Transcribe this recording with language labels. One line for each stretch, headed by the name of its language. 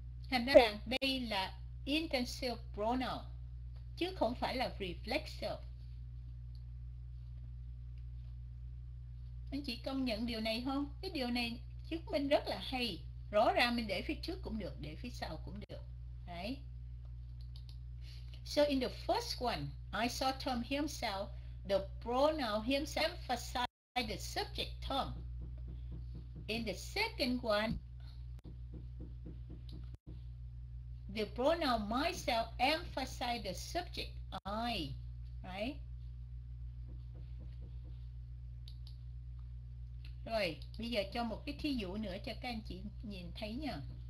Vietnamese: Thành ra rằng đây là intensive pronoun chứ không phải là reflexive. Anh chị công nhận điều này không? Cái điều này chứng minh rất là hay. Rõ ràng mình để phía trước cũng được, để phía sau cũng được. Đấy.
English: So in the first one, I saw Tom himself, the pronoun himself emphasized the subject Tom. In the second one, the pronoun myself emphasize the subject, I, right?
Vietnamese: Rồi, bây giờ cho một cái thí dụ nữa cho các anh chị nhìn thấy nha.